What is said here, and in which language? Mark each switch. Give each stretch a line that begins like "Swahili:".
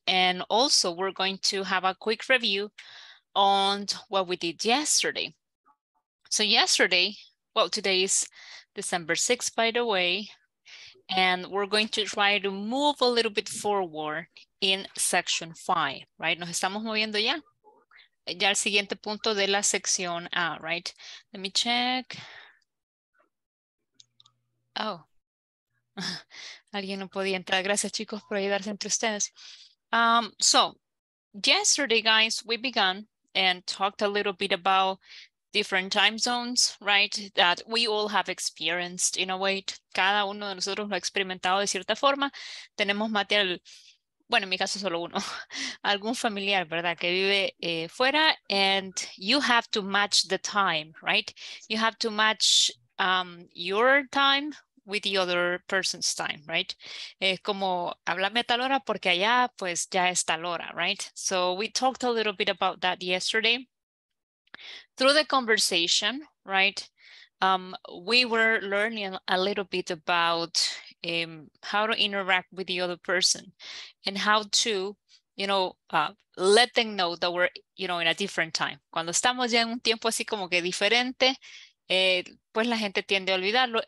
English: And also, we're going to have a quick review on what we did yesterday. So yesterday, well, today is December 6th, by the way, and we're going to try to move a little bit forward in section 5, right?
Spanish: Nos estamos moviendo ya. Ya el siguiente punto de la sección, right?
English: Let me check.
Spanish: Oh, alguien no podía entrar. Gracias, chicos, por ayudarse entre ustedes.
English: So yesterday, guys, we began and talked a little bit about different time zones, right, that we all have experienced in a way.
Spanish: Cada uno de nosotros lo ha experimentado de cierta forma. Tenemos material, bueno, en mi caso solo uno, algún familiar, ¿verdad?, que vive fuera,
English: and you have to match the time, right? You have to match your time with the other person's time, right?
Spanish: Como, háblame a tal hora porque allá, pues, ya es tal hora, right?
English: So we talked a little bit about that yesterday. Through the conversation, right, we were learning a little bit about how to interact with the other person and how to, you know, let them know that we're, you know, in a different time.
Spanish: Cuando estamos ya en un tiempo así como que diferente, pues la gente tiende a olvidarlo.